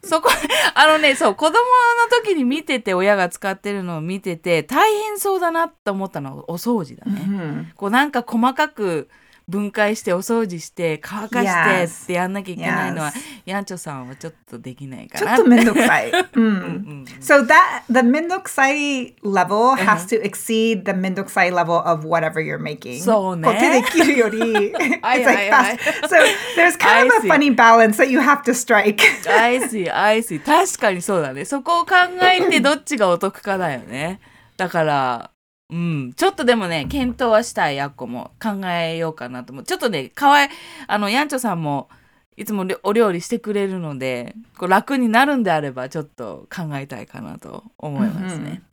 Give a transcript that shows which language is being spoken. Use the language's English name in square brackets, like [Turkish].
[Japanese] そこ、あのね、そう、子供の時に見てて、親が使ってるのを見てて、大変そうだなと思ったのはお掃除だね。こうなんか細かく、分解してお掃除して乾かしてってやんなきゃいけないのは、 [English] yes. [Japanese] ヤンチョさんはちょっとできないかな。ちょっとめんどくさい。 [English] So that the めんどくさい level has to exceed the めんどくさい level of whatever you're making. [Japanese] そうね。こう手で切るより、 [English] it's like fast. So there's kind of a funny balance that you have to strike. I see, I see. [Japanese] 確かにそうだね。そこを考えてどっちがお得かだよね。だから。うん、ちょっとでもね検討はしたい。やっこも考えようかなと思う。ちょっとねかわいあのやんちょさんもいつもお料理してくれるのでこう楽になるんであればちょっと考えたいかなと思いますね。